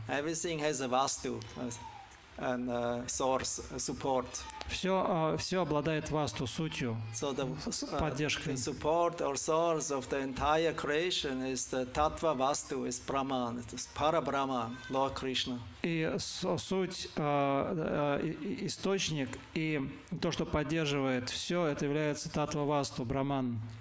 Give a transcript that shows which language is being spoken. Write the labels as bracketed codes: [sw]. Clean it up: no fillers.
[en] Everything has a vastu and a source, a support. [ru] Все обладает васту, сутью, [en] so [ru] поддержкой. [en] The support or source of the entire creation is the Татва васту, is Brahman, is Parabrahman, Lord Krishna. [ru] И суть, источник и то, что поддерживает все, это является Татва васту, Брахман.